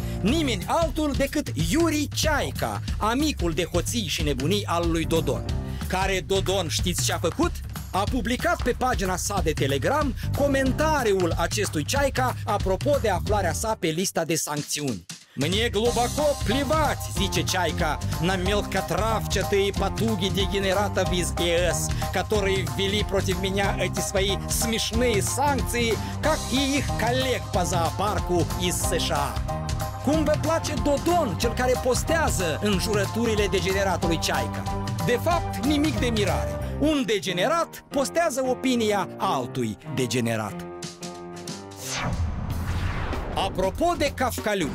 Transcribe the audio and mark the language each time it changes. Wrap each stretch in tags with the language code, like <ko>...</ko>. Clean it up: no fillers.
<ro>Nimeni altul decât Yuri Chaika, amicul de hoții și nebunii al lui Dodon. Care Dodon, știți ce a făcut? A publicat pe pagina sa de Telegram comentariul acestui Chaika apropo de aflarea sa pe lista de sancțiuni.</ro> <ru>Мне глубоко плевать,</ru> <ro>зиче</ro> <ru>Чайка, на мелкотравчатые потуги дегенератов из ЕС, которые ввели против меня эти свои смешные санкции, как и их коллег по зоопарку из США.</ru> <ro>Cum vă place Dodon, cel care postează în jurăturile degeneratului Chaika? De fapt, nimic de mirare. Un degenerat postează opinia altui degenerat. Apropo de Kafkaliuk.</ro>